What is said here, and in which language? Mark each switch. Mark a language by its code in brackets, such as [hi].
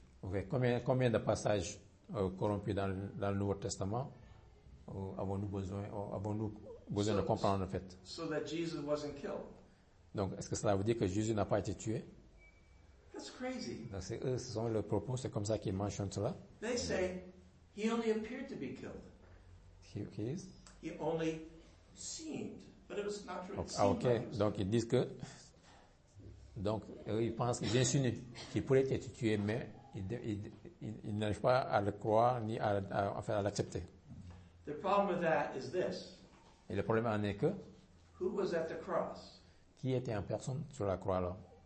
[fr] Okay, combien de passages corrompus dans le Nouveau Testament avons-nous besoin de comprendre, en fait? [en] So that Jesus wasn't killed. [fr] Donc, est-ce que cela veut dire que Jésus n'a pas été tué? [en] That's crazy. [fr] Donc, ce sont leurs propos, c'est comme ça qu'ils mentionnent cela. [en] They say he only appeared to be killed. He is? He only seemed, but it was not true. Okay. Okay. [fr] Donc, ils disent que... Donc, ils pensent, ils insinuent qu'il pourrait être tué, mais ils n'arrivent pas à le croire ni à l'accepter. [en] The problem with that is this. [fr] Et le problème en est que... [en] Who was at the cross? [fr] Qui était en personne sur la croix alors?